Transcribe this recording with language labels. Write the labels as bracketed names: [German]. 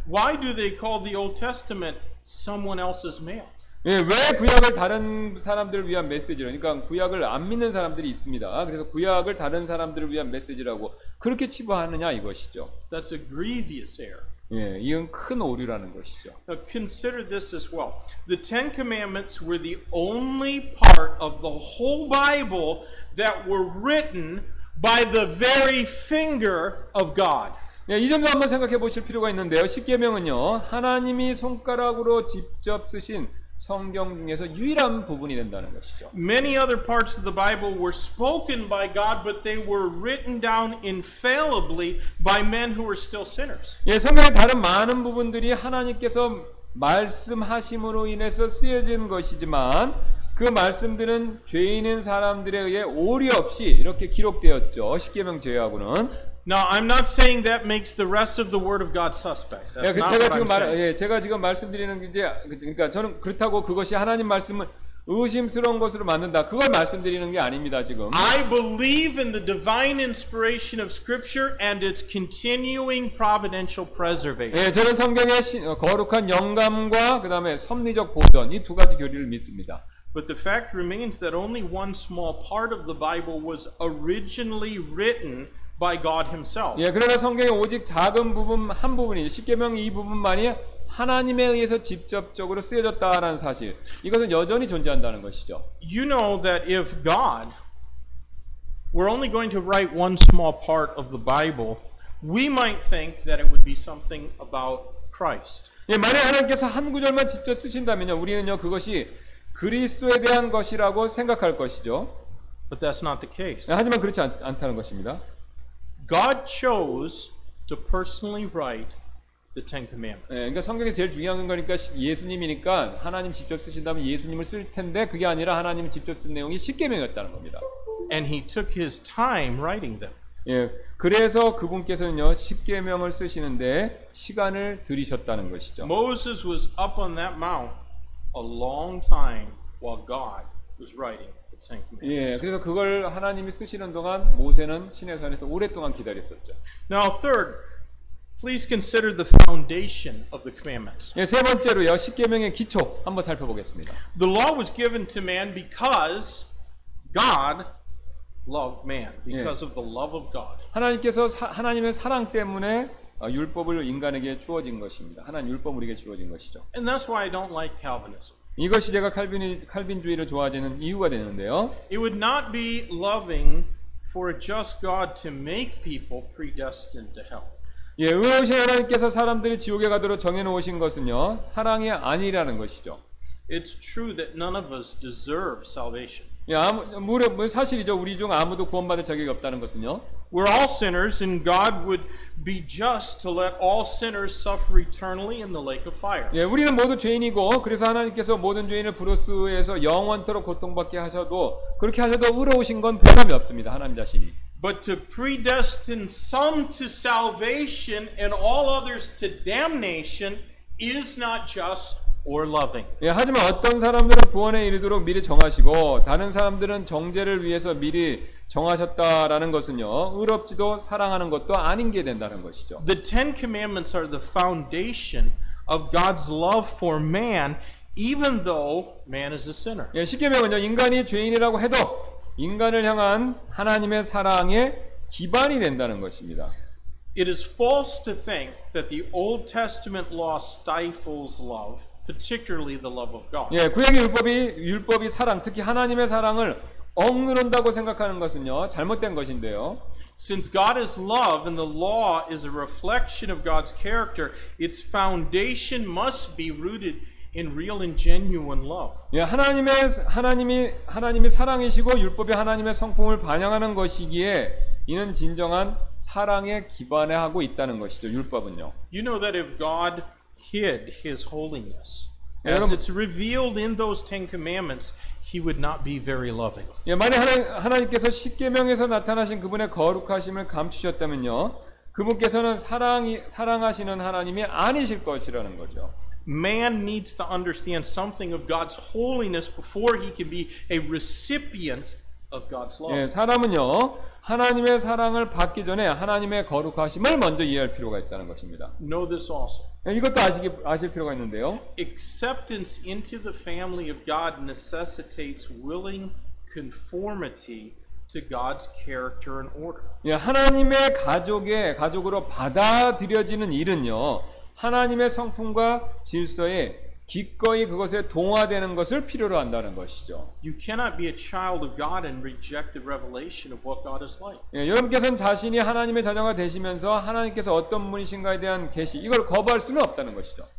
[English] Why do they call the Old Testament someone else's mail? [Korean] 예, 왜 구약을 다른 사람들을 위한 메시지라고 그러니까 구약을 안 믿는 사람들이 있습니다. 그래서 구약을 다른 사람들을 위한 메시지라고 그렇게 치부하느냐 이것이죠. [English] That's a grievous error. [Korean] 예, 이건 큰 오류라는 것이죠. [English] Now consider this as well. The Ten Commandments were the only part of the whole Bible that were written by the very finger of God. [Korean] 예, 이 점도 한번 생각해 보실 필요가 있는데요. 십계명은요, 하나님이 손가락으로 직접 쓰신 성경 중에서 유일한 부분이 된다는 것이죠. [English] Many other parts of the Bible were spoken by God, but they were written down infallibly by men who were still sinners. [Korean] 예, 성경의 다른 많은 부분들이 하나님께서 말씀하심으로 인해서 쓰여진 것이지만 그 말씀들은 죄인인 사람들에 의해 오류 없이 이렇게 기록되었죠. 십계명 제외하고는. [English] Now I'm not saying that makes the rest of the word of God suspect. That's 그 not what I'm saying. [Korean] 예, 제가 지금 말씀드리는 게 이제 그러니까 저는 그렇다고 그것이 하나님 말씀을 의심스러운 것으로 만든다. 그걸 말씀드리는 게 아닙니다, 지금. [English] I believe in the divine inspiration of scripture and its continuing providential preservation. [Korean] 예, 저는 성경의 거룩한 영감과 그다음에 섭리적 보존 이 두 가지 교리를 믿습니다. [English] But the fact remains that only one small part of the Bible was originally written by God himself. [Korean] 예, 그러나 성경의 오직 작은 부분 한 부분이 십계명이 이 부분만이 하나님에 의해서 직접적으로 쓰여졌다라는 사실. 이것은 여전히 존재한다는 것이죠. [English] You know that if God were only going to write one small part of the Bible, we might think that it would be something about Christ. [Korean] 예, 만약 하나님께서 한 구절만 직접 쓰신다면요, 우리는요 그것이 그리스도에 대한 것이라고 생각할 것이죠. [English] But that's not the case. [Korean] 예, 하지만 그렇지 않다는 것입니다. [English] God chose to personally write the Ten Commandments. [Korean] 예, 그러니까 성경이 제일 중요한 거니까 예수님이니까 하나님 직접 쓰신다면 예수님을 쓸 텐데 그게 아니라 하나님 직접 쓴 내용이 십계명이었다는 겁니다. [English] And he took his time writing them. [Korean] 예, 그래서 그분께서는요 십계명을 쓰시는데 시간을 들이셨다는 것이죠. [English] Moses was up on that mount a long time while God was writing. [Korean] 예, 그래서 그걸 하나님이 쓰시는 동안 모세는 시내산에서 오랫동안 기다렸었죠. [English] Now third, please consider the foundation of the commandments. [Korean] 예, 세 번째로요. 십계명의 기초 한번 살펴보겠습니다. [English] The law was given to man because God loved man because of the love of God. [Korean] 하나님께서 하나님의 사랑 때문에 율법을 인간에게 주어진 것입니다. 하나님 율법 우리에게 주어진 것이죠. [English] And that's why I don't like Calvinism. [Korean] 이것이 제가 칼빈주의를 좋아하는 이유가 되는데요. [English] It would not be loving for a just God to make people predestined to hell. [Korean] 예, 의로우신 하나님께서 사람들이 지옥에 가도록 정해 놓으신 것은요, 사랑이 아니라는 것이죠. [English] It's true that none of us deserve salvation. [Korean] 예, 아무 사실이죠. 우리 중 아무도 구원받을 자격이 없다는 것은요. [English] We're all sinners and God would be just to let all sinners suffer eternally in the lake of fire. [Korean] 예, 우리는 모두 죄인이고 그래서 하나님께서 모든 죄인을 불호수에서 영원토록 고통받게 하셔도 그렇게 하셔도 의로우신 건 변함이 없습니다. 하나님 자신이. [English] But to predestine some to salvation and all others to damnation is not just or loving. [Korean] 예, 하지만 어떤 사람들은 구원에 이르도록 미리 정하시고 다른 사람들은 정죄를 위해서 미리 정하셨다라는 것은요 의롭지도 사랑하는 것도 아닌 게 된다는 것이죠. [English] The Ten Commandments are the foundation of God's love for man, even though man is a sinner. [Korean] 예, 십계명은요 인간이 죄인이라고 해도 인간을 향한 하나님의 사랑의 기반이 된다는 것입니다. [English] It is false to think that the Old Testament law stifles love, particularly the love of God. [Korean] 예, 구약의 율법이 사랑, 특히 하나님의 사랑을 억누른다고 생각하는 것은요 잘못된 것인데요. [English] Since God is love and the law is a reflection of God's character, its foundation must be rooted in real and genuine love. [Korean] 예, 하나님이 사랑이시고 율법이 하나님의 성품을 반영하는 것이기에 이는 진정한 사랑의 기반에 하고 있다는 것이죠. 율법은요. [English] You know that if God hid His holiness, as it's revealed in those Ten Commandments. He would not be very loving. [Korean] 예, 만약 하나님께서 십계명에서 나타나신 그분의 거룩하심을 감추셨다면요, 그분께서는 사랑하시는 하나님이 아니실 것이라는 거죠. [English] Man needs to understand something of God's holiness before he can be a recipient of God's love. [Korean] 예, 사람은요, 하나님의 사랑을 받기 전에 하나님의 거룩하심을 먼저 이해할 필요가 있다는 것입니다. [English] Know this also. [Korean] 이것도 아실 필요가 있는데요. [English] Acceptance into the family of God necessitates willing conformity to God's character and order. [Korean] 예, 하나님의 가족으로 받아들여지는 일은요, 하나님의 성품과 질서에 기꺼이 그것에 동화되는 것을 필요로 한다는 것이죠. [English] You cannot be a child of God and reject the revelation of what God is like. [Korean] 예, 여러분께서는 자신이 하나님의 자녀가 되시면서 하나님께서 어떤 분이신가에 대한 계시 이걸 거부할 수는 없다는 것이죠.